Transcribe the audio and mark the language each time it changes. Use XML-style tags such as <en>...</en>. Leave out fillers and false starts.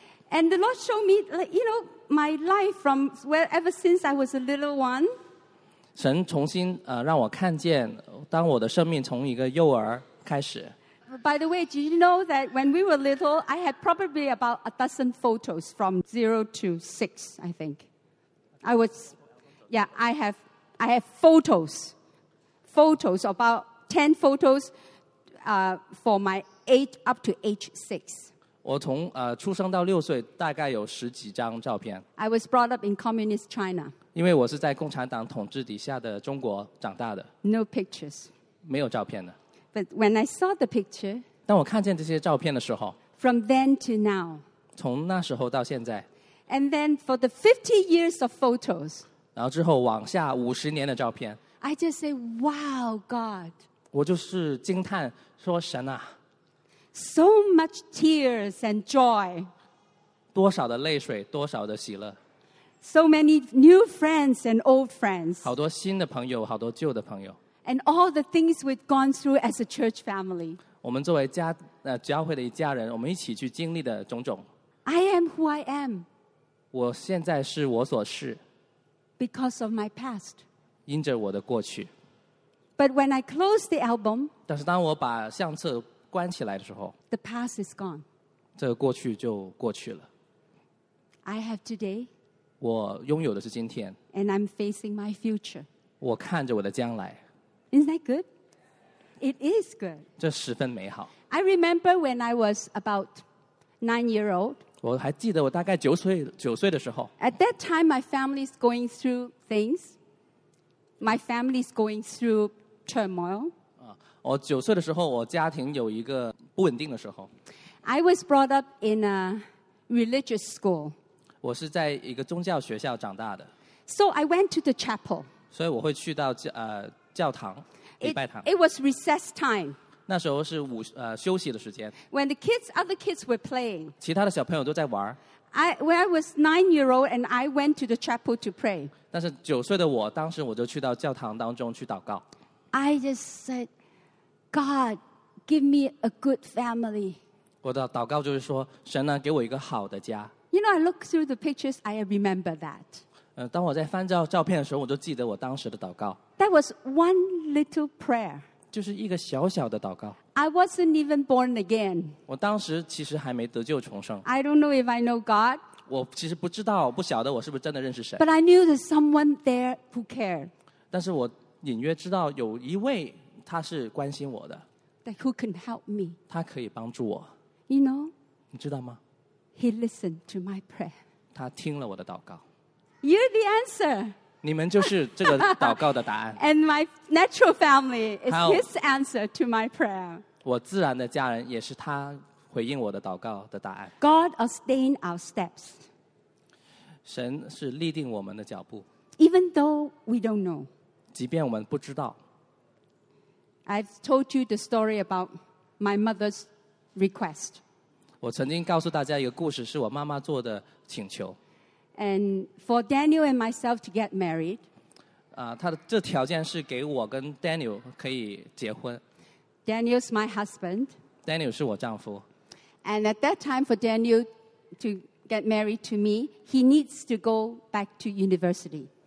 <en>And the Lord showed me, like, you know, my life from where, ever since I was a little one.</en> <zh>神重新, 让我看见, 当我的生命从一个幼儿开始。</zh> <en>By the way, did you know that when we were little, I had probably about 12 photos from 0 to 6, I think. I have photos. Photos, about 10 photos. For my age up to age 6.</en> <zh>我从 出生到6岁, 大概有10几张照片。</zh> <en>I was brought up in communist China.</en> <zh>因为我是在共产党统治底下的中国长大的。</zh> <en>No pictures.</en> <zh>没有照片的。</zh> <en>But when I saw the picture,</en> <zh>当我看见这些照片的时候,</zh> <en>from then to now,</en> <zh>从那时候到现在,</zh> <en>and then for the 50 years of photos,</en> <zh>然后之后往下50年的照片,</zh> <en>I just say, wow, God.</en> <zh>我就是惊叹说神啊。</zh> <en>So much tears and joy.</en> <zh>多少的泪水，多少的喜乐。</zh> <en>So many new friends and old friends.</en> <zh>好多新的朋友，好多旧的朋友。</zh> <en>And all the things we've gone through as a church family.</en> <zh>我们作为教会的一家人，我们一起去经历的种种。</zh> <en>I am who I am.</en> <zh>我现在是我所是。</zh> <en>Because of my past.</en> <zh>因着我的过去。</zh> <en>But when I close the album,</en> <zh>但是当我把相册关起来的时候，</zh> <en>the past is gone.</en> <zh>这个过去就过去了。</zh> <en>I have today.</en> <zh>我拥有的是今天。</zh> <en>And I'm facing my future.</en> <zh>我看着我的将来。</zh> <en>Isn't that good? It is good.</en> <zh>这十分美好。</zh> <en>I remember when I was about 9 years old.</en> <zh>我还记得我大概九岁的时候。</zh> <en>At that time, my family is going through things. My family is going through turmoil.</en> <zh>我九岁的时候，我家庭有一个不稳定的时候。</zh> <en>I was brought up in a religious school.</en> <zh>我是在一个宗教学校长大的。</zh> <en>So I went to the chapel.</en> <zh>所以我会去到教堂礼拜堂。</zh> <en>It was recess time.</en> <zh>那时候是休息的时间。</zh> <en>When the other kids were playing.</en> <zh>其他的小朋友都在玩。</zh> <en>I was 9 years old and I went to the chapel to pray.</en> <zh>但是九岁的我，当时我就去到教堂当中去祷告。</zh> <en>I just said, God, give me a good family.</en> <zh>我的祷告就是说，神呢，给我一个好的家。</zh> <en>You know, I look through the pictures, I remember that.</en> <zh>当我在翻照照片的时候，我就记得我当时的祷告。</zh> <en>That was one little prayer.</en> <zh>就是一个小小的祷告。</zh> <en>I wasn't even born again.</en> <zh>我当时其实还没得救重生。</zh> <en>I don't know if I know God.</en> <zh>我其实不知道，不晓得我是不是真的认识神。</zh> <en>But I knew there's someone there who cared.</en> <zh>但是我隐约知道有一位他是关心我的。</zh> <en>That who can help me.</en> <zh>他可以帮助我。</zh> <en>You know?</en> <zh>你知道吗？</zh> <en>He listened to my prayer.</en> <zh>他听了我的祷告。</zh> <en>You're the answer.</en> <zh>你们就是这个祷告的答案。</zh> <en>And my natural family is his answer to my prayer.</en> <zh>我自然的家人也是他回应我的祷告的答案。</zh> <en>God ordained our steps.</en> <zh>神是立定我们的脚步。</zh> <en>Even though we don't know.</en> <zh>即便我们不知道。</zh> <en>I've told you the story about my mother's request.</en> <zh>我曾经告诉大家一个故事，是我妈妈做的请求。</zh> <en>And for Daniel and myself to get married.</en> <zh>他的这条件是给我跟 Daniel 可以结婚。</zh> <en>Daniel's my husband.</en> <zh>Daniel 是我丈夫。</zh> <en>And at that time for Daniel to get married to me, he needs to go back to university.</en>